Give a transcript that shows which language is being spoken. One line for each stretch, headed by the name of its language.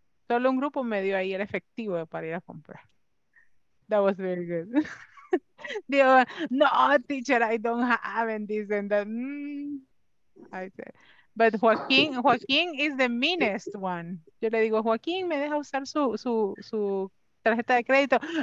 Spanish: Solo un grupo me dio ahí el efectivo para ir a comprar.
English: That was very good. The other one, no, teacher, I don't have this and that. I said, but Joaquín is the meanest one.
Spanish: Yo le digo, Joaquín, ¿me deja usar su tarjeta de crédito?